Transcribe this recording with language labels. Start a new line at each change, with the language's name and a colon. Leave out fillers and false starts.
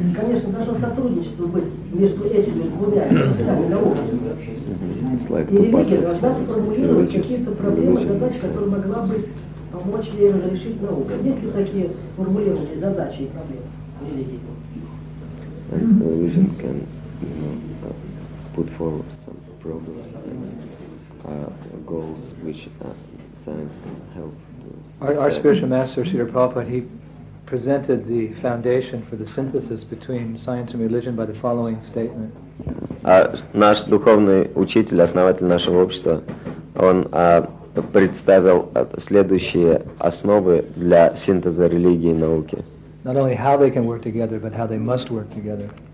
Russian: хорошо сотрудничество быть между этими двумя частями наука. И религия должна сформулировать какие-то проблемы, задачи, которые могла бы помочь ей разрешить наука. Есть ли такие формулированные задачи и проблемы в религии?
English: Religion can, you know, put forward some problems and goals which science can help. Our spiritual master, Srila Prabhupada, he presented the foundation for the synthesis between science and religion by the following statement.
Russian: Наш духовный учитель, основатель нашего общества, он представил следующие основы для синтеза религии и науки.
English: Not only how they can work together, but how they must work together.